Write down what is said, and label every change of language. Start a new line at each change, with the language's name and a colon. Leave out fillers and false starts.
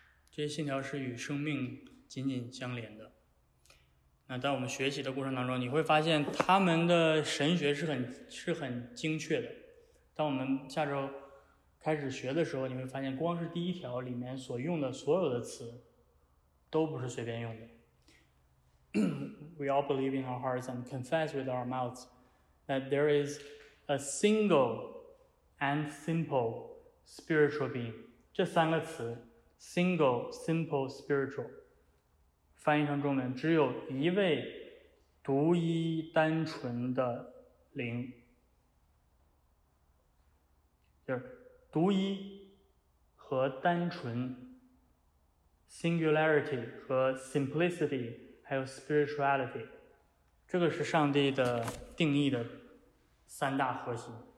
Chinese: 这些信条是与生命紧紧相连的。那在我们学习的过程当中，你会发现他们的神学是很精确的。当我们下周开始学的时候，你会发现光是第一条里面所用的所有的词都不是随便用的。
English: We all believe in our hearts and confess with our mouths that there is a single and simple spiritual being.
Chinese: 这三个词 single, simple, spiritual 翻译成中文，只有一位独一单纯的灵，就是独一和单纯， singularity 和 simplicity，还有 spirituality， 这个是上帝的定义的三大核心。